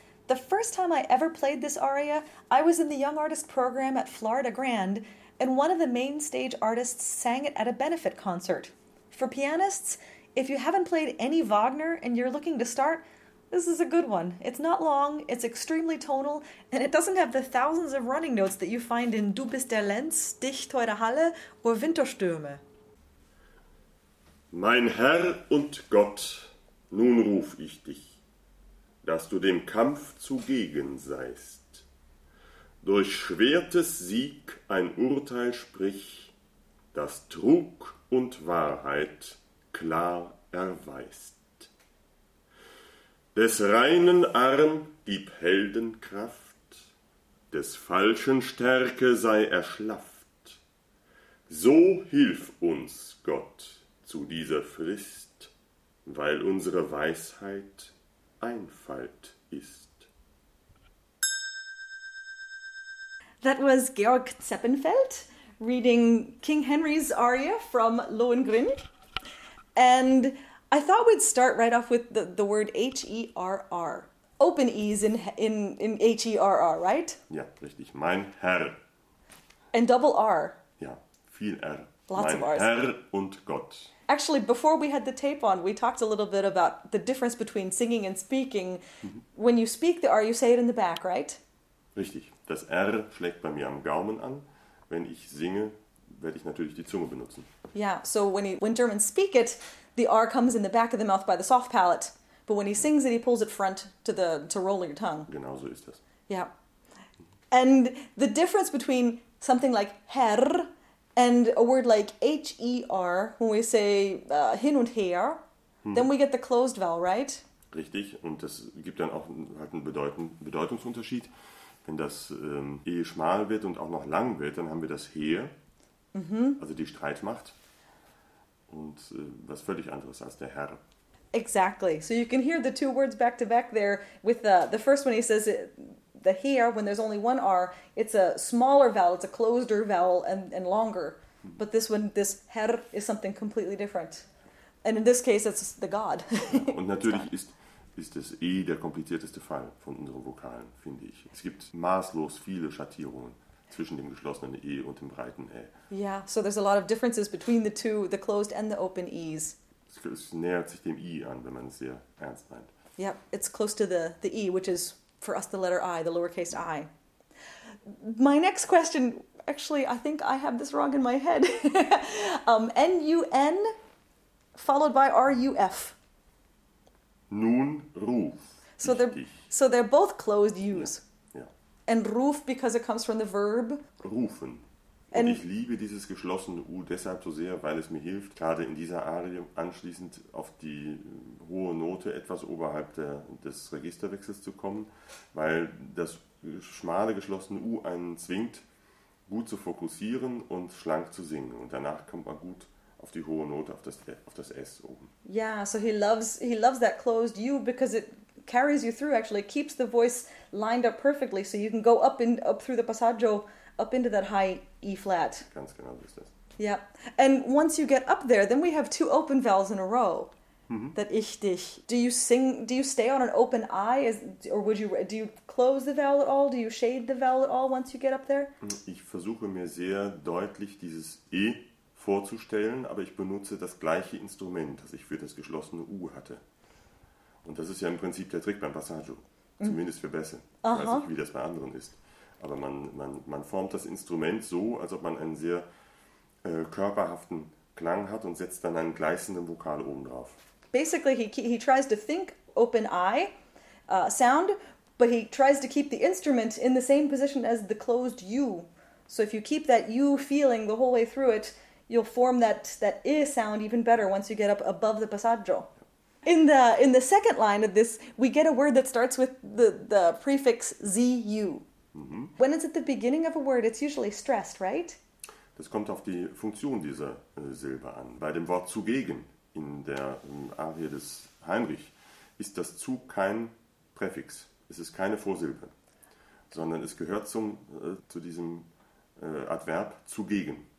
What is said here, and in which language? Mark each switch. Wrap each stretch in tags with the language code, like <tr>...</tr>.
<en>The first time I ever played this aria, I was in the Young Artist Program at Florida Grand, and one of the main stage artists sang it at a benefit concert. For pianists, if you haven't played any Wagner and you're looking to start, this is a good one. It's not long, it's extremely tonal, and it doesn't have the thousands of running notes that you find in Du bist der Lenz, Dich teure Halle, or Winterstürme. Mein Herr und Gott, nun ruf ich dich, dass du dem Kampf zugegen seist. Durch Schwertes Sieg ein Urteil sprich, das Trug und Wahrheit klar erweist. Des reinen Arm gib Heldenkraft, des falschen Stärke sei erschlafft. So hilf uns, Gott, zu dieser Frist, weil unsere Weisheit Einfalt ist. That was Georg Zeppenfeld reading King Henry's aria from Lohengrin. And I thought we'd start right off with the word H-E-R-R. Open E's in H-E-R-R, right?</en> <de>Ja, richtig. Mein Herr.</de> <en>And double R.</en> <de>Ja, viel R.</de> <en>Lots</en> <de>mein</de> <en>of R's.</en> <de>Herr und Gott.</de> <en>Actually, before we had the tape on, we talked a little bit about the difference between singing and speaking. Mm-hmm. When you speak the R, you say it in the back, right?</en> <de>Richtig. Das R schlägt bei mir am Gaumen an. Wenn ich singe, werde ich natürlich die Zunge benutzen.</de> <en>Yeah, so when Germans speak it, the R comes in the back of the mouth by the soft palate. But when he sings it, he pulls it front to roll your tongue.</en> <de>Genau so ist das.</de> <en>Yeah. And the difference between something like Herr and a word like H-E-R, when we say</en> <de>hin und her,</de> <en>then we get the closed vowel, right?</en> <de>Richtig, und das gibt dann auch halt einen Bedeutungsunterschied. Wenn das E schmal wird und auch noch lang wird, dann haben wir das her, also die Streitmacht, und was völlig anderes als der Herr.</de> <en>Exactly. So you can hear the two words back to back there with the first one he says it, the here, when there's only one R, it's a smaller vowel, it's a closeder vowel and longer. But this one, this Herr, is something completely different. And in this case, it's the God.</en> <de>Und natürlich ist das E der komplizierteste Fall von unseren Vokalen, finde ich. Es gibt maßlos viele Schattierungen zwischen dem geschlossenen E und dem breiten E.</de> <en>Yeah, so there's a lot of differences between the two, the closed and the open E's.</en> <de>Es nähert sich dem E an, wenn man es sehr ernst meint.</de> <en>Yeah, it's close to the E, which is for us the letter I, the lowercase I. My next question, actually, I think I have this wrong in my head. N-U-N followed by R-U-F.</en> <de>Nun ruf.</de> <en>So they're both closed U's. Yeah. And ruf because it comes from the verb.</en> <de>Rufen. Und ich liebe dieses geschlossene U deshalb so sehr, weil es mir hilft, gerade in dieser Arie anschließend auf die hohe Note etwas oberhalb des Registerwechsels zu kommen, weil das schmale geschlossene U einen zwingt, gut zu fokussieren und schlank zu singen. Und danach kommt man gut auf die hohe Note, auf das S oben.</de> <en>Yeah, so he loves that closed U because it carries you through, actually. It keeps the voice lined up perfectly, so you can go up through the passaggio, up into that high E flat.</en> <de>Ganz genau ist das.</de> <en>Yeah, and once you get up there, then we have two open vowels in a row. Mm-hmm. That ich dich. Do you stay on an open I, or do you close the vowel at all? Do you shade the vowel at all once you get up there?</en> <de>Ich versuche mir sehr deutlich dieses E vorzustellen, aber ich benutze das gleiche Instrument, das ich für das geschlossene U hatte. Und das ist ja im Prinzip der Trick beim Passaggio, zumindest für Bässe. Aha. Ich weiß nicht, wie das bei anderen ist. Aber man formt das Instrument so, als ob man einen sehr körperhaften Klang hat und setzt dann einen gleißenden Vokal oben drauf.</de> <en>Basically, he tries to think open I sound, but he tries to keep the instrument in the same position as the closed U. So if you keep that U feeling the whole way through it, you'll form that I sound even better once you get up above the passaggio. In the second line of this, we get a word that starts with the prefix ZU. Mm-hmm. When it's at the beginning of a word, it's usually stressed, right?</en> <de>Das kommt auf die Funktion dieser Silbe an. Bei dem Wort zugegen in der Arie des Heinrich ist das zu kein Präfix. Es ist keine Vorsilbe, sondern es gehört zu diesem Adverb zugegen.</de>